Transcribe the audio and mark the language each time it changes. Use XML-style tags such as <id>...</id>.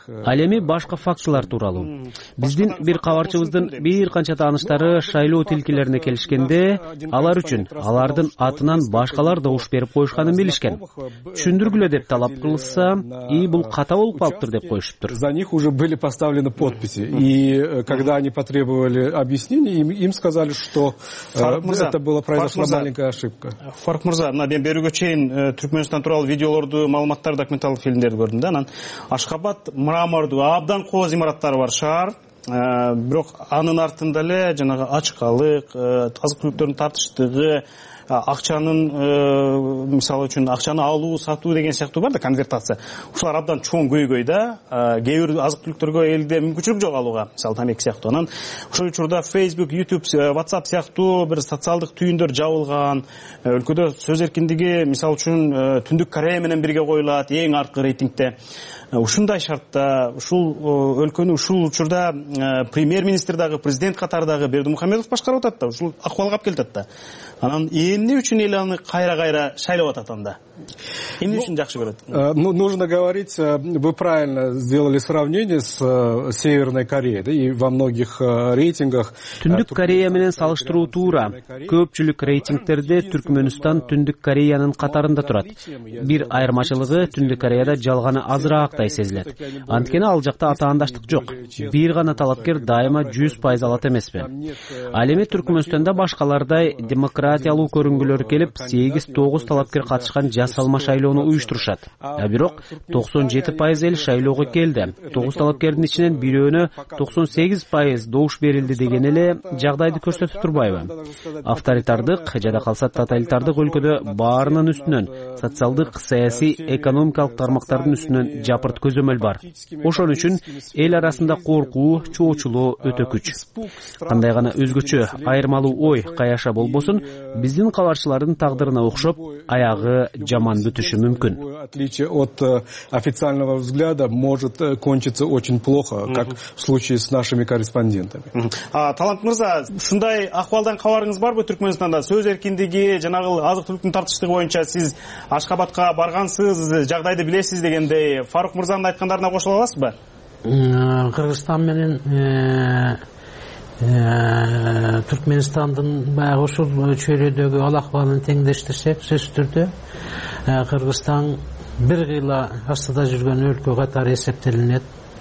<ky>Ал эми башка фактылар тууралуу. Биздин бир кабарчыбыздын бир канча тааныштары шайлоо тилкелерине келишкенде алар үчүн алардын атынан башкалар добуш берип коюшканын билишкен. Түшүндүргүлө деп талап кылса, и бул ката болуп калыптыр деп коюшуптур.</ky> <ru>За них уже были поставлены подписи. И когда они потребовали объяснений, им сказали, что это было произошла маленькая ошибка.</ru> <ky>Фарук Мырза, мына мен берүүгө чейин Түркмөнстан тууралуу видеолорду, маалыматтарды, документалдык фильмдерди көрдүм да. Анан Ашхабад мрамордуу абдан кооз имараттары бар шаар. Бирок анын артында эле жанагы ачкалык, азык түлүктөрдүн тартыштыгы, акчанын мисалы үчүн акчаны алуу сатуу деген сыяктуу бар да, конвертация. Ушулар абдан чоң көйгөй да, кээ бир азык түлүктөргө элде мүмкүнчүлүк жок алууга, мисалы тамеки сыяктуу. Анан ошол учурда Facebook, YouTube, WhatsApp сыяктуу бир социалдык түйүндөр жабылган, өлкөдө сөз эркиндиги мисалы үчүн Түндүк Корея менен бирге коюлат эң аркы рейтингде. Ушундай шартта ушул өлкөнү ушул учурда премьер-министр дагы, президент катары дагы Бердимухамедов башкарып атат да, ушул акыбалга алып келип атат да. Анан эмне үчүн эл аны кайра кайра шайлап атат анда? Эмне үчүн жакшы көрөт?</ky> <ru>Ну, нужно говорить, вы правильно сделали сравнение с Северной Кореей, да, и во многих рейтингах.</ru> <ky>Түндүк Корея менен салыштыруу туура. Көпчүлүк рейтингтерде Түркмөнстан Түндүк Кореянын катарында турат. Бир айырмачылыгы Түндүк Кореяда жалганы азыраак тай сезилет. Анткени ал жакта атаандаштык жок. Бир гана талапкер дайыма 100% алат эмеспи? Ал эми Түркмөнстанда башкалардай демократиялуу көрүнгүлөр келип, 8-9 талапкер катышкан жасалма шайлоону уюштурушат. Бирок 97% эл шайлоого келди. 9 талапкердин ичинен бирөөнө 98% добуш берилди деген эле жагдайды көрсөтүп турбайбы? Авторитардык жада калса тоталитардык өлкөдө баарынын үстүнөн социалдык, саясий, экономикалык тармактардын үстүнөн жапырт көзөмөл бар. Ошон үчүн эл арасында коркуу, чоочулоо өтө күч. Кандай гана өзгөчө, айырмалуу ой каяша болбосун, биздин кабарчылардын тагдырына окшоп, аягы жаман бүтүшү мүмкүн.</ky> <ru>Отличие от официального взгляда может кончиться очень плохо, как в случае с нашими корреспондентами.</ru> <ky>Талант Мырза, ушундай акыбалдан кабарыңыз барбы Түркмөнстанда? Сөз эркиндиги, жанагы азык түлүктүн тартыштыгы боюнча сиз Ашхабадка баргансыз, жагдайды билесиз дегендей, Фарук Мырзанын айткандарына кошула аласызбы? Кыргызстан менен Түркмөнстандын баягы ушул чөйрөдөгү ал акыбалын теңдештирсек, сөзсүз түрдө Кыргызстан бир кыйла астыда жүргөн өлкө катары эсептелинет.</ky>